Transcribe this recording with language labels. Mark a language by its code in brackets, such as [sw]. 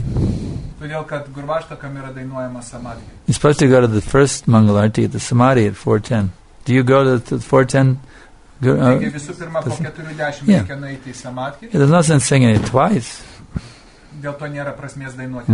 [lt] Todėl, kad Gurvastakam yra dainuojama Samadhi. [en] You're supposed to go to the first Mangalarti, the Samadhi at 4:10. Do you go to the 4:10? [lt] Visų pirma, po 4:10 reikia nueiti į Samadhi. [en] There's no sense singing it twice. [lt] Dėl to nėra prasmės dainuoti.